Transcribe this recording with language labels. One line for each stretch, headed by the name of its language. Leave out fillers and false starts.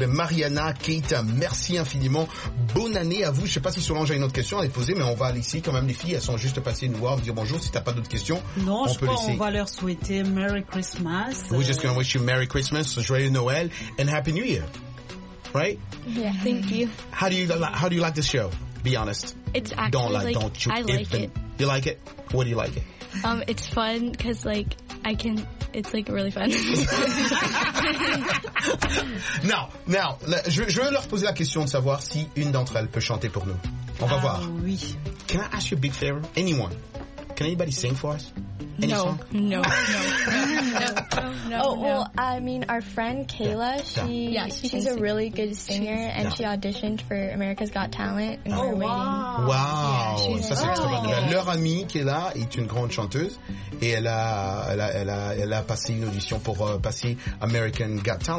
French: Mariana, Kate, merci infiniment, bonne année à vous. Je sais pas si Solange a une autre question à les poser, mais on va aller ici quand même. Les filles, elles sont juste passées nous voir, dire bonjour. Si t'as pas d'autres questions, non, on peut laisser. On va leur souhaiter Merry Christmas.
English: We're just gonna wish you Merry Christmas,
French: joyeux Noël
English: and Happy New Year, right? Yeah, thank you. How do you like this show? Be honest. It's actually don't like, don't you I like it. You like it? What do you like it? It's fun because like I can. It's like really fun.
French: Now, je veux leur poser la question de savoir si une d'entre elles peut chanter pour nous. On va voir. Oui.
English: Can I ask you a big favor? Anyone? Can anybody sing for us? No. Oh, well, I mean, our friend Kayla, she's a really good singer, and she auditioned for America's Got Talent. And oh, wow.
French: Wow. Yeah, ça, c'est très bien. Leur amie, Kayla, est une grande chanteuse, et elle a passé une audition pour passer American Got Talent.